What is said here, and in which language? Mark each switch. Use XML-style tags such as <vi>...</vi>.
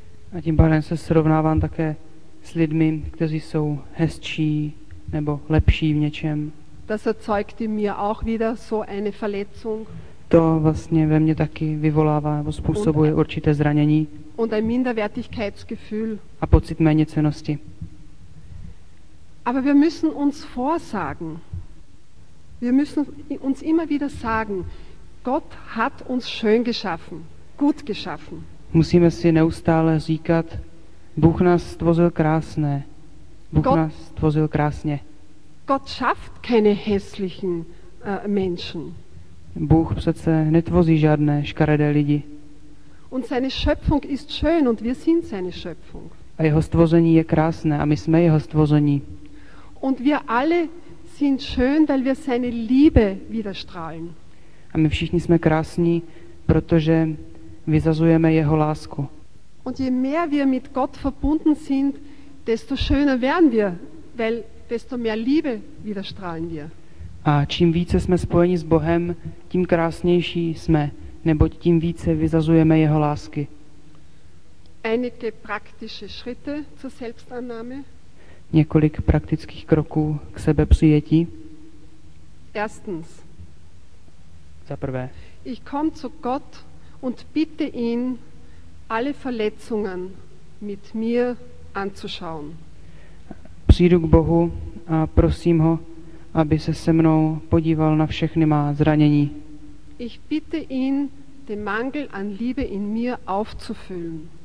<cs>A tím pádem se srovnávám také s lidmi, kteří jsou hezčí nebo lepší v něčem.</cs> <de>Das erzeugt in mir auch wieder so eine Verletzung.</de> <cs>To vlastně ve mně taky vyvolává nebo způsobuje určité zranění.</cs> <de>Und ein Minderwertigkeitsgefühl.</de> <cs>A pocit méněcennosti.</cs> <de>Aber wir müssen uns vorsagen. Wir müssen uns immer wieder sagen, Gott hat uns schön geschaffen, gut geschaffen.</de> <cs>Musíme si neustále říkat, Bůh nás stvořil krásné. Bůh nás stvořil krásně.</cs> <de>Gott schafft keine hässlichen Menschen.</de> <cs>Bůh přece netvoří žádné škaredé lidi.</cs> <de>Und seine Schöpfung ist schön und wir sind seine Schöpfung.</de> <cs>A jeho stvoření je krásné a my jsme jeho stvoření.</cs> <de>Und wir alle sind schön, weil wir seine Liebe widerstrahlen.</de> <cs>A my všichni jsme krásní, protože vyzazujeme jeho lásku.</cs> <de>Und je mehr wir mit Gott verbunden sind, desto schöner werden wir, weil desto mehr Liebe widerstrahlen wir.</de> <cs>A čím více jsme spojeni s Bohem, tím krásnější jsme, neboť tím více vyzazujeme jeho lásky.</cs> <de>Einige praktische Schritte zur Selbstannahme.</de> <cs>Několik praktických kroků k sebepřijetí.</cs> <de>Erstens.</de> <cs>Za prvé.</cs> <de>Ich komme zu Gott und bitte ihn, alle Verletzungen mit mir anzuschauen.</de> <cs>Přijdu k Bohu a prosím ho, aby se mnou podíval na všechny má zranění.</cs> <de>Ich bitte ihn, den Mangel an Liebe in mir aufzufüllen.</de>